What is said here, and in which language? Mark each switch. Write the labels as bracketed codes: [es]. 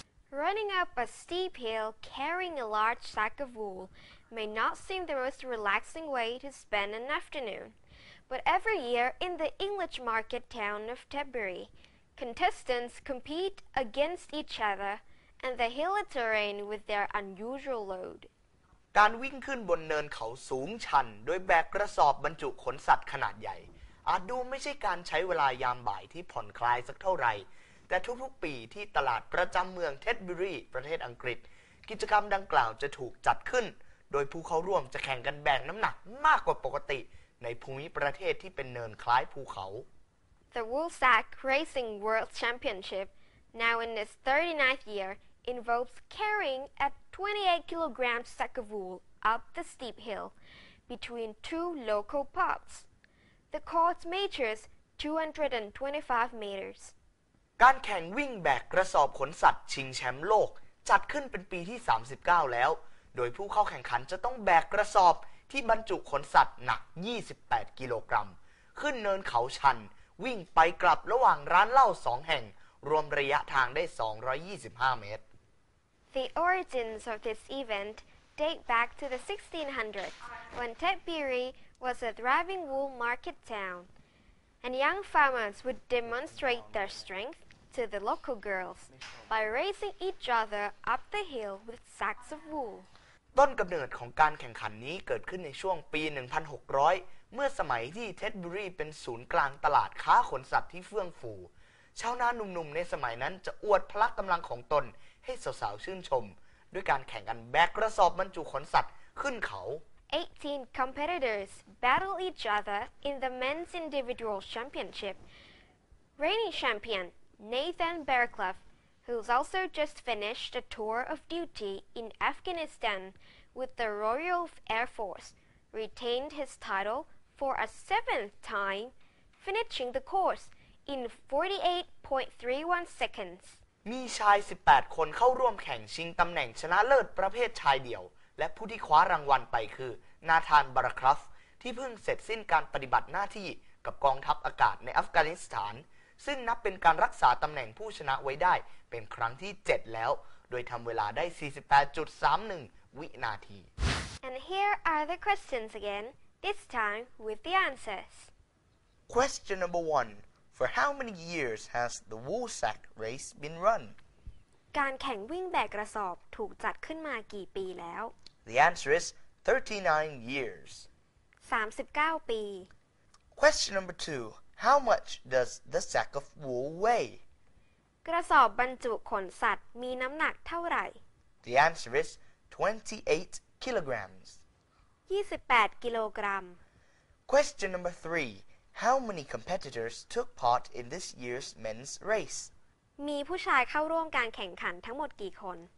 [en] Running up a steep hill carrying a large sack of wool may not seem the most relaxing way to spend an afternoon. But every year in the English market town of Tetbury, contestants compete against each other and the hilly terrain with their unusual load. [th] การวิ่งขึ้นบนเนินเขาสูงชันโดยแบกกระสอบบรรจุขนสัตว์ขนาดใหญ่อาจดูไม่ใช่การใช้เวลายามบ่ายที่ผ่อนคลายสักเท่าไหร่แต่ทุกๆปีที่ตลาดประจำเมืองเทตบุรีประเทศอังกฤษกิจกรรมดังกล่าวจะถูกจัดขึ้นโดยผู้เข้าร่วมจะแข่งกันแบกน้ำหนักมากกว่าปกติในภูมิประเทศที่เป็นเนินคล้ายภูเขา [en] The Woolsack Racing World Championship, now in its 39th year, involves carrying a 28-kilogram sack of wool up the steep hill between two local pubs. The course measures 225 meters. [th] การแข่งวิ่งแบกกระสอบขนสัตว์ชิงแชมป์โลกจัดขึ้นเป็นปีที่39แล้วโดยผู้เข้าแข่งขันจะต้องแบกกระสอบที่บรรจุขนสัตว์หนัก28กิโลกรัมขึ้นเนินเขาชันวิ่งไปกลับระหว่างร้านเหล้า2แห่งรวมระยะทางได้225เมตร [en] The origins of this event date back to the 1600s when Tetbury was a thriving wool market town. And young farmers would demonstrate their strength to the local girls by raising each other up the hill with sacks of wool. [th] ต้นกำเนิดของการแข่งขันนี้เกิดขึ้นในช่วงปี1600เมื่อสมัยที่เท็ดบูรีเป็นศูนย์กลางตลาดค้าขนสัตว์ที่เฟื่องฟูชาวนาหนุ่มๆในสมัยนั้นจะอวดพละกำลังของตนให้สาวๆชื่นชมด้วยการแข่งกันแบกกระสอบบรรจุขนสัตว์ขึ้นเขา [en] 18 competitors battle each other in the men's individual championship. Reigning champion Nathan Bearcliff, who's also just finished a tour of duty in Afghanistan with the Royal Air Force, retained his title for a seventh time, finishing the course in 48.31 seconds. [th] มีชาย18คนเข้าร่วมแข่งชิงตำแหน่งชนะเลิศประเภทชายเดี่ยวและผู้ที่คว้ารางวัลไปคือนาธานบาร์คลัฟที่เพิ่งเสร็จสิ้นการปฏิบัติหน้าที่กับกองทัพอากาศในอัฟกานิสถานซึ่งนับเป็นการรักษาตำแหน่งผู้ชนะไว้ได้เป็นครั้งที่7แล้วโดยทำเวลาได้ 48.31 วินาที [en] And here are the questions again, this time with the answers. Question number 1. For how many years has the Woolsack Race been run? [th] การแข่งวิ่งแบกกระสอบถูกจัดขึ้นมากี่ปีแล้ว [en] The answer is 39 years. [th] 39ปี [en] Question number 2. How much does the sack of wool weigh? [th] กระสอบบรรจุขนสัตว์มีน้ำหนักเท่าไหร่ [en] The answer is 28 kilograms. [th] 28กิโลกรัม [en] Question number 3. How many competitors took part in this year's men's race? [th] มีผู้ชายเข้าร่วมการแข่งขันทั้งหมดกี่คน